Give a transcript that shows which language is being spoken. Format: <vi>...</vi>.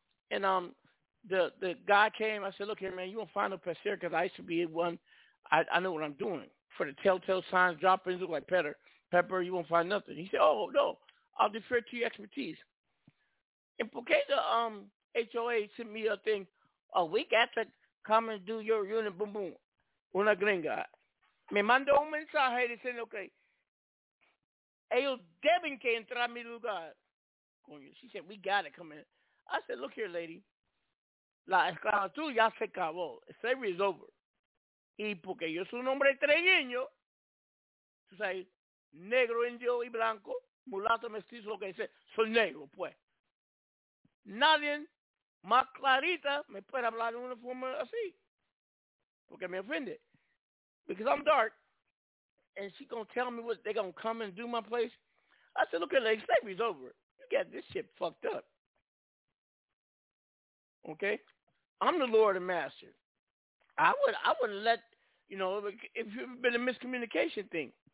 <en>And the guy came, I said, look here, man, you won't find no pest here, because I used to be one, I know what I'm doing. For the telltale signs, droppings, look like pepper, you won't find nothing. He said, oh, no, I'll defer to your expertise. And porque the HOA sent me a thing a week after, come and do your unit, boom, boom.</en> <es>Una gringa. Me mandó un mensaje diciendo que ellos deben que entrar a mi lugar.</es> <en>She said, we got to come in. I said, look here, lady.</en> <es>La esclavitud ya se acabó.</es> <en>Slavery is over.</en> <es>Y porque yo soy un hombre trigueño, tú sabes, negro, indio y blanco, mulato, mestizo, lo que dice, soy negro, pues. Nadie más clarita me puede hablar de una forma así. Porque me ofende.</es> <en>Because I'm dark. And she gonna tell me what they gonna come and do my place. I said, look at the slavery's over. You got this shit fucked up. Okay? I'm the Lord and Master. I wouldn't let, you know, if it been a miscommunication thing.</en>